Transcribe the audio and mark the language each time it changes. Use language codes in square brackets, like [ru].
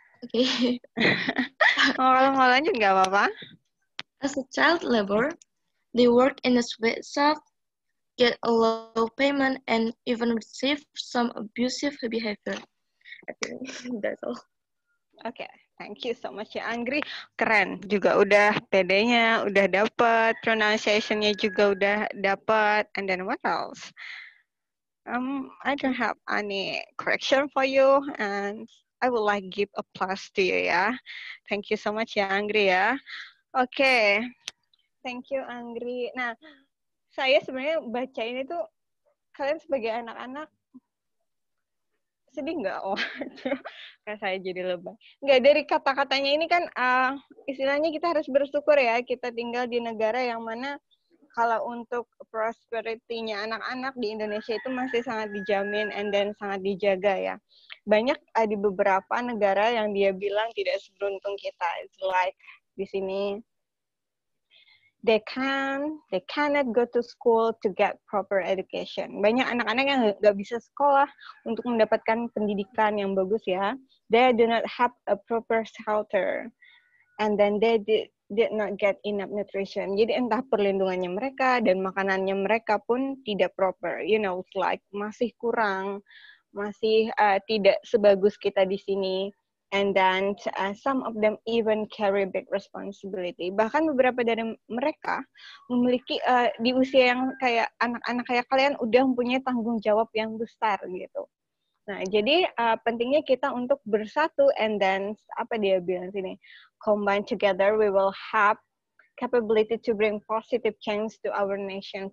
[en] Okay. [id] mau lanjut nggak apa-apa? [en] As a child labor, they work in a sweat shop, get a low payment, and even receive some abusive behavior. That's all. Okay. Thank you so much ya Anggri. [id] Keren juga udah PD-nya, udah dapat pronunciation-nya juga udah dapat. [en] And then what else? I don't have any correction for you and I would like give a plus to you ya. Thank you so much ya Anggri ya. Okay. Thank you Anggri. [id] Nah, saya sebenarnya baca ini tuh kalian sebagai anak-anak sedih nggak? Oh, kayak saya jadi lebay. Nggak, dari kata-katanya ini kan istilahnya kita harus bersyukur ya, kita tinggal di negara yang mana kalau untuk prosperity-nya anak-anak di Indonesia itu masih sangat dijamin and then sangat dijaga ya. Banyak di beberapa negara yang dia bilang tidak seberuntung kita. [en] It's like [id] di sini, [en] they cannot go to school to get proper education. [id] Banyak anak-anak yang nggak bisa sekolah untuk mendapatkan pendidikan yang bagus ya. [en] They do not have a proper shelter, and then they did not get enough nutrition. [id] Jadi entah perlindungannya mereka dan makanannya mereka pun tidak proper. [en] You know, it's like [id] masih kurang, masih tidak sebagus kita di sini. [en] And then some of them even carry big responsibility. [id] Bahkan beberapa dari mereka memiliki di usia yang kayak anak-anak kayak kalian udah mempunyai tanggung jawab yang besar gitu. Nah, jadi pentingnya kita untuk bersatu [en] and then [id] apa dia bilang sini? [en] Combine together we will have capability to bring positive change to our nation.